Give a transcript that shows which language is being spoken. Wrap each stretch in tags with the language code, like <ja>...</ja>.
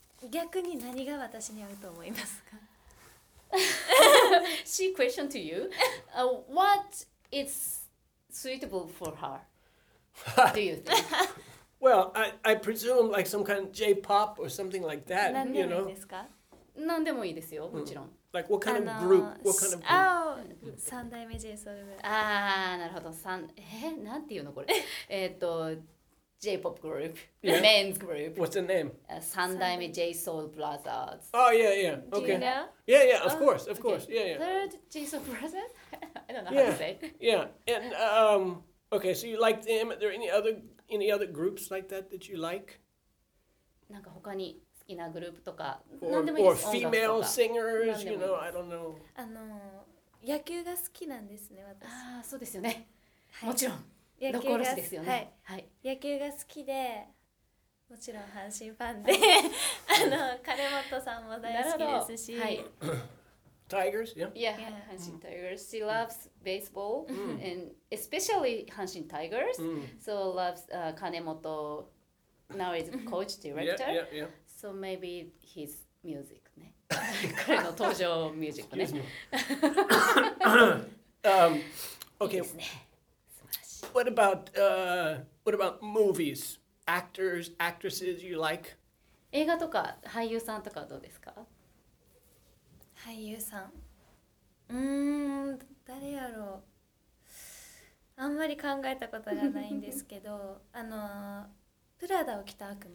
<ja>逆に何が私に合うと思いますか？</ja> <en>She question to you. What is suitable for her? Do you think? Well, I presume like some kind of J-pop or something like that.</en> <ja>何でもいいですか？何でもいいですよ、もちろん。</ja> <en>Like what kind of group? What kind of group? 三代目 J-Soul。</en> <ja>ああ、なるほど。なんていうのこれ？</ja> <en>J-pop group, yeah. Men's group. What's the name? Sandaime J-Soul Brothers. Oh, yeah, yeah. Okay. Do you know? Yeah, yeah, of course, of course. Yeah, yeah. Third J-Soul Brothers? I don't know how to say. Yeah, and, okay, so you like them. Are there any other groups like that you like?</en> <ja>なんか他に好きなグループとか、</ja> <en>Or female singers, you know, I don't know.</en> <ja>野球が好きなんですね、私。ああ、そうですよね。もちろん。ロコロシですよね、はいはい、野球が好きでもちろん阪神ファンで金本さんも大好きですし、はい、</ja> <en>タイガース、yeah. Yeah, 阪神タイガース、mm. She loves baseball、mm. and especially 阪神タイガース、 mm. So loves 金本 now is coach director yeah, yeah, yeah. So maybe his music</en> <ja>ね彼の登場ミュージックね</ja> <en>okay.</en> <ja>いいですね。</ja> <en>What about movies? Actors, actresses you like?</en> <ja>映画とか俳優さんとかどうですか？俳優さん、誰やろう。あんまり考えたことがないんですけど、プラダを着た悪魔。</ja>